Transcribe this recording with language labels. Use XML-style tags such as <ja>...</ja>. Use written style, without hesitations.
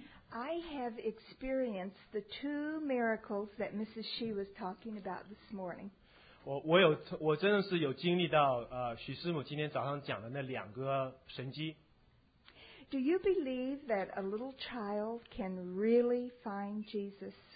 <en>I have experienced the two miracles that Mrs. Shi was talking about this morning.</en> <zh>我真的是有经历到许师母今天早上讲的那两个神迹。</zh> <en>Do you believe that a little child can really find Jesus?</en>